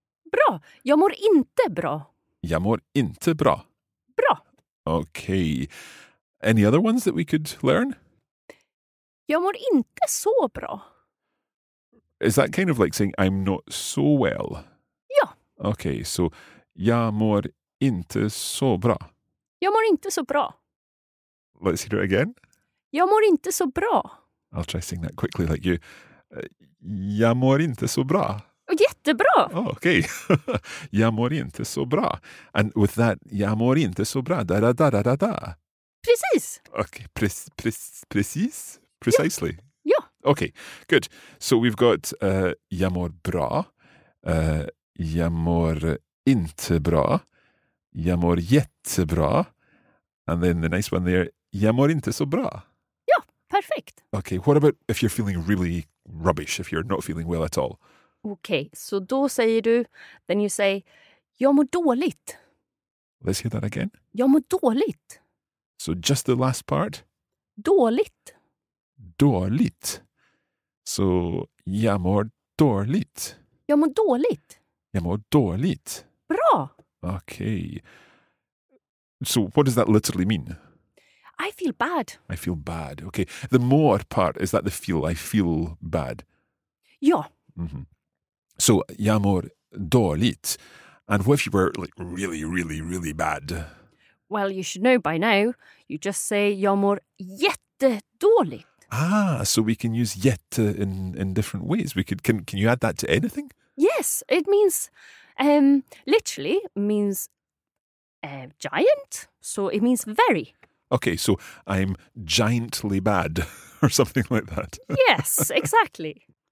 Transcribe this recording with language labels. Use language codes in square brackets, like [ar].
[sv] Bra. Jag mår inte bra. Jag mår inte bra. Bra. [en] Okay. Any other ones that we could learn? [sv] Jag mår inte så bra. [en] Is that kind of like saying I'm not so well? [sv] Okej, så jag mår inte så bra. Jag mår inte så bra. [en] Let's hear it again. [sv] Jag mår inte så bra. [en] I'll try saying that quickly like you. [sv] Jag mår inte så bra. Jättebra! Oh, okej. [en] Okay. [sv] Jag mår inte så bra. [en] And with that, [sv] jag mår inte så bra. Da, da, da, da, da, da. Precis! [en] Okay. Precis? Precisely? [sv] Ja. [en] Okej, okay. Good. So we've got [sv] jag mår bra. Jag mår inte bra. Jag mår jättebra. [en] And then the nice one there, [sv] jag mår inte så bra. Ja, perfekt. [en] Okay, what about if you're feeling really rubbish, if you're not feeling well at all? [sv] Okay, so då säger du, [en] then you say, [sv] jag mår dåligt. [en] Let's hear that again. [sv] Jag mår dåligt. [en] So just the last part. [sv] Dåligt. Dåligt. So jag mår dåligt. Jag mår dåligt. Jag mår dåligt. Bra. [en] Okay. So what does that literally mean? I feel bad. I feel bad. Okay. The more part, is that the feel? I feel bad. [sv] Ja. Mm-hmm. So, jag mår dåligt. [en] And what if you were like really, really, really bad? Well, you should know by now. You just say [sv] jag mår jättedåligt. [en] Ah, so we can use jätte in different ways. We could can you add that to anything? Yes, it means literally means giant. So it means very. Okay, so I'm giantly bad or something like that. Yes, exactly.